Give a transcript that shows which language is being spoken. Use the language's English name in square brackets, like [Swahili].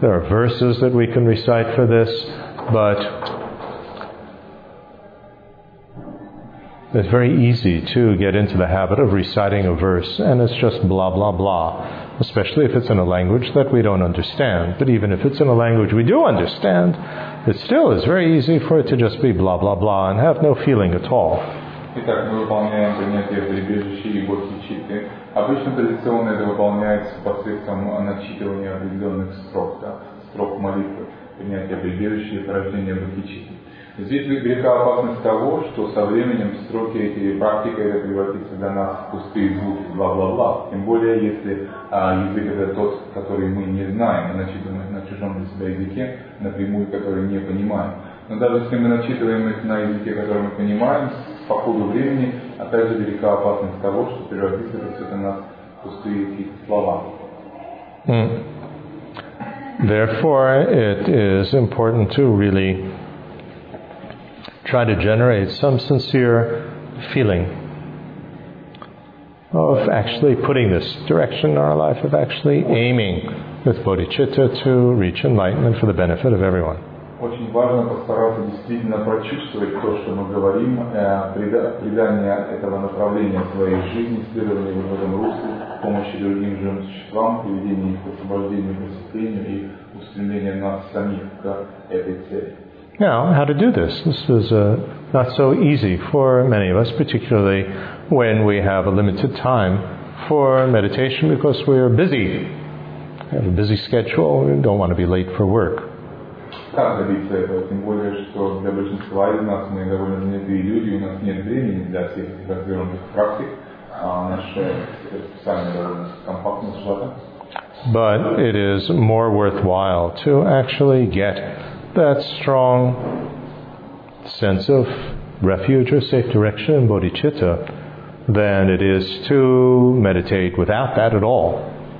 [English] There are verses that we can recite for this, but it's very easy to get into the habit of reciting a verse and it's just blah, blah, blah, especially if it's in a language that we don't understand. But even if it's in a language we do understand, it still is very easy for it to just be blah, blah, blah and have no feeling at all. [Russian] Итак, мы выполняем занятия в прибежище и бодхичитте. Обычно традиционно это выполняется посредством начитывания определенных строк, да, строк молитвы, принятия в прибежище и порождения бодхичитты. Здесь велика опасность того, что со временем строки эти и практика это превратится для нас в пустые звуки, бла-бла-бла. Тем более, если язык это тот, который мы не знаем, иначе думаем на чужом для себя языке, напрямую, который не понимаем. Но даже если мы начитываем их на языке, который мы понимаем, по ходу времени, опять же, велика опасность того, что превратится это все для нас в пустые слова. [English] Therefore, it is important to really try to generate some sincere feeling of actually putting this direction in our life, of actually aiming with bodhicitta to reach enlightenment for the benefit of everyone. [Russian] Очень важно постараться действительно прочувствовать то, что мы говорим, придание этого направления своей жизни, следование в этом русле, помощи другим живым существам, приведение их к освобождению, к просветлению и устремление нас самих к этой цели. [English] Now, how to do this? This is not so easy for many of us, particularly when we have a limited time for meditation because we are busy. We have a busy schedule, we don't want to be late for work. [Russian] Как добиться этого? Тем более, что для большинства из нас мы довольно занятые люди, у нас нет времени для всех разверенных практик, а наше специальное довольно компактное что-то. [English] But it is more worthwhile to actually get that strong sense of refuge or safe direction in bodhicitta than it is to meditate without that at all.